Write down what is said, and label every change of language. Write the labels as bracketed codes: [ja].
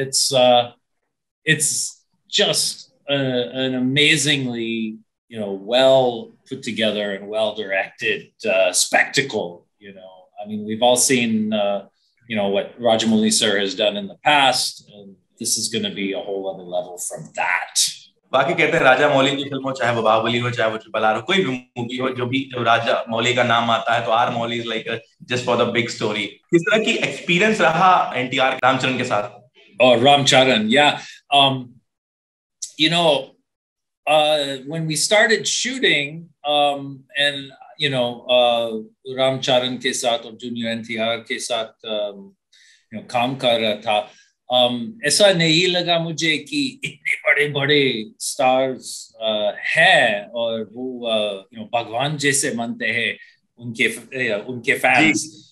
[en] It's just an amazingly you know well put together and well directed spectacle. You know I mean we have all seen you know what Rajamouli sir has done in the past. This is going to be a whole other level from that. [hi] बाकी कहते हैं राजा मौली की फिल्मों, चाहे वो बाहुबली हो, चाहे वो ट्रिपल आर हो, कोई भी मूवी हो, जो भी जो राजा मौली का नाम आता है तो [en] R Mouli is like just for the big story. [hi] किस तरह की एक्सपीरियंस रहा एनटीआर रामचरण के साथ? और रामचरण, या [en] you know when we started shooting and you know [hi] Ramcharan के साथ और जूनियर एनटीआर के साथ काम कर रहा था, ऐसा नहीं लगा मुझे कि इतने बड़े बड़े स्टार्स है और वो यू नो भगवान जैसे मानते हैं उनके फैंस।